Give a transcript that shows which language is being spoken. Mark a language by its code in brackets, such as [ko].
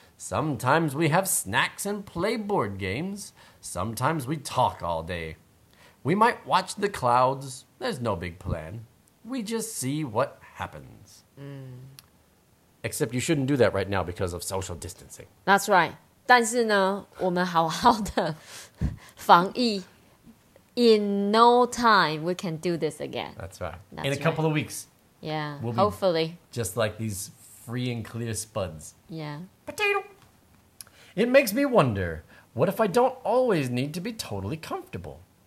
[en] Sometimes we have snacks and play board games. Sometimes we talk all day. We might watch the clouds. There's no big plan. We just see what happens. Mm. Except you shouldn't do that right now because of social distancing. That's right. [zh] 但是呢，我们好好的防疫。 [en] In no time, we can do this again. That's right. That's in a couple of weeks. Yeah, we'll hopefully. Just like these free and clear spuds. Yeah. Potato! It makes me wonder, what if I don't always need to be totally comfortable?